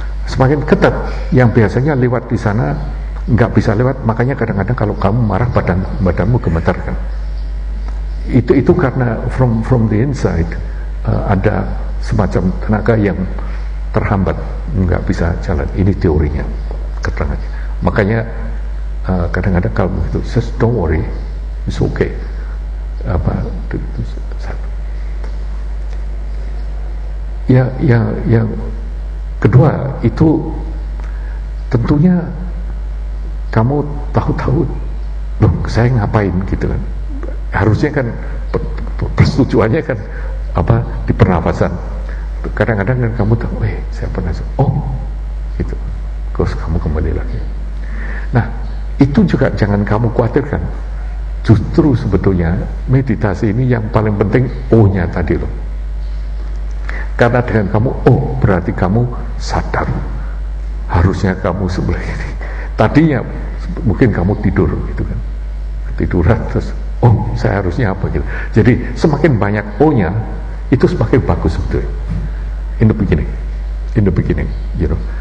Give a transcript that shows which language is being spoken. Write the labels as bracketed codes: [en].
[id] Semakin ketat, yang biasanya lewat di sana nggak bisa lewat, makanya kadang-kadang kalau kamu marah badanmu gemetar kan. Itu karena [en] from the inside [id] ada semacam tenaga yang terhambat, nggak bisa jalan. Ini teorinya, keterangannya. Makanya kadang-kadang kalau begitu, [en] just don't worry, it's okay. [id] Apa itu satu. Yang kedua, itu tentunya kamu tahu-tahu, loh saya ngapain gitu kan. Harusnya kan persetujuannya kan apa, di pernafasan. Kadang-kadang kan kamu tahu, saya pernah, oh gitu, terus kamu kembali lagi. Nah, itu juga jangan kamu khawatirkan. Justru sebetulnya meditasi ini yang paling penting O-nya tadi loh. Karena dengan kamu, oh berarti kamu sadar. Harusnya kamu sebelah ini. Tadinya mungkin kamu tidur gitu kan. Ketiduran terus, oh saya harusnya apa gitu. Jadi semakin banyak O-nya, itu semakin bagus sebetulnya. [en] In the beginning, you know.